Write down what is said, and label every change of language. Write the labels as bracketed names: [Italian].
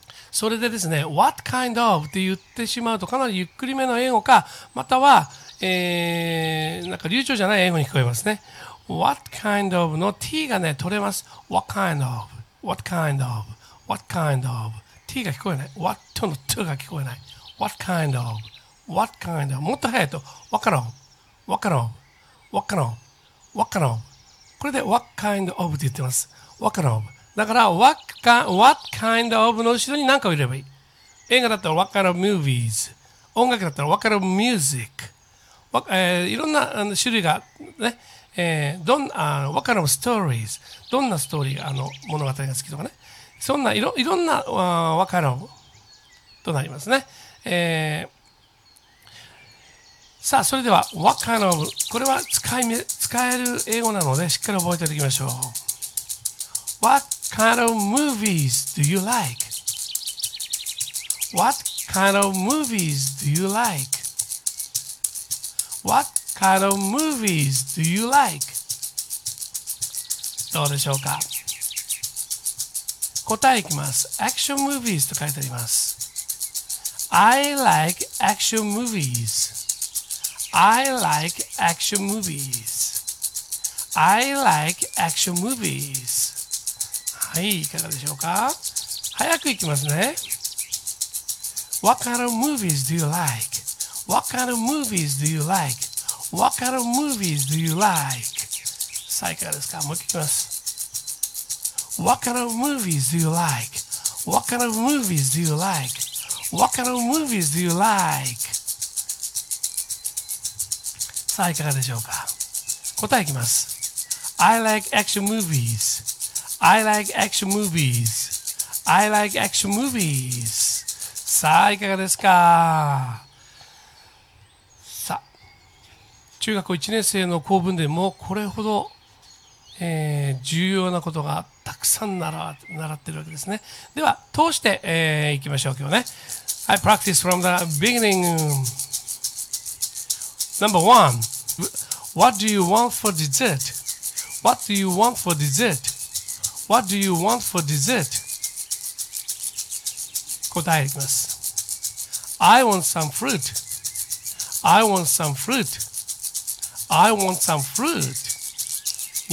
[Japanese] それでですね、 [English] What kind of? [Japanese] って言ってしまうとかなりゆっくりめの英語か、または、なんか流暢じゃない英語に聞こえますね。 [English] What kind of? [Japanese] の T がね、取れます。 [English] What kind of? What kind of? What kind of? [Japanese] T が聞こえない。 What の T が聞こえない。 [English] What kind of? What kind of? [Japanese] もっと早いと、 [English] What kind of? What kind of? What kind of? What kind of? [Japanese] これで [English] What kind of? [Japanese] って言ってます。 [English] What kind of? だから What kind of? [Japanese] の後ろに何かを入ればいい。映画だったら [English] What kind of movies? [Japanese] 音楽だったら [English] What kind of music? [Japanese] いろんな種類がね、 [English] What kind of stories? [Japanese] どんなストーリー、物語が好きとかね。そんないろんな分からんとなりますね。さあ、それでは、分からん。これは使える英語なので、しっかり覚えておいていきましょう。 [English] What kind of movies do you like? What kind of movies do you like? What kind of movies do you like? [Japanese] どうでしょうか? 答えいきます。 [English] Action movies [Japanese] と書いてあります。 [English] I like action movies. I like action movies. I like action movies. [Japanese] はい、いかがでしょうか? 早くいきますね。 [English] What kind of movies do you like? What kind of movies do you like? What kind of movies do you like? [Japanese] さあ、いかがですか?もう一回いきます。 [English] What kind of movies do you like? What kind of movies do you like? What kind of movies do you like? [Japanese] さあ、いかがでしょうか。答えいきます。 [English] I like action movies. I like action movies. I like action movies. [Japanese] さあ、いかがですか。さあ、中学1年生の構文でもこれほど、重要なことがたくさん習ってるわけですね。では、通して、いきましょう、今日ね。はい、 [English] practice from the beginning. Number one, what do you want for dessert? What do you want for dessert? What do you want for dessert? [Japanese] 答えます。 [English] I want some fruit. I want some fruit. I want some fruit.